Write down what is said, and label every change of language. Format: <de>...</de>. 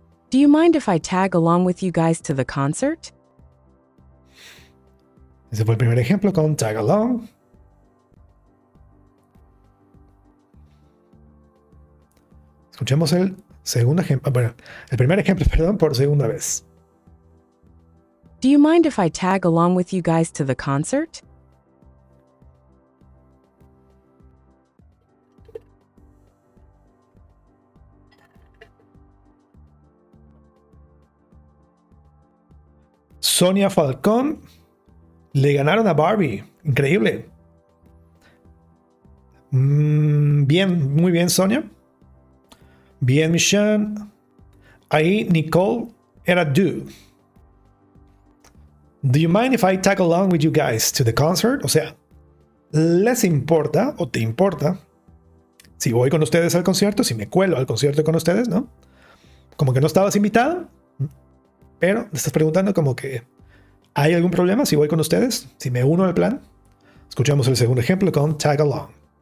<en>Do you mind if I tag along with you guys to the concert?</en> <es>Ese fue el primer ejemplo con tag along. Escuchemos el segundo ejemplo. Bueno, el primer ejemplo, perdón, por segunda vez.</es> <en>Do you mind if I tag along with you guys to the concert?</en> <es>Sonia Falcón le ganaron a Barbie. Increíble. Bien, muy bien, Sonia. Bien, Michan. Ahí, Nicole era due.</es> <en>Do you mind if I tag along with you guys to the concert?</en> <es>O sea, ¿les importa o te importa si voy con ustedes al concierto? Si me cuelo al concierto con ustedes, ¿no? Como que no estabas invitado, pero me estás preguntando como que ¿hay algún problema si voy con ustedes? Si me uno al plan. Escuchamos el segundo ejemplo con tag along.</es>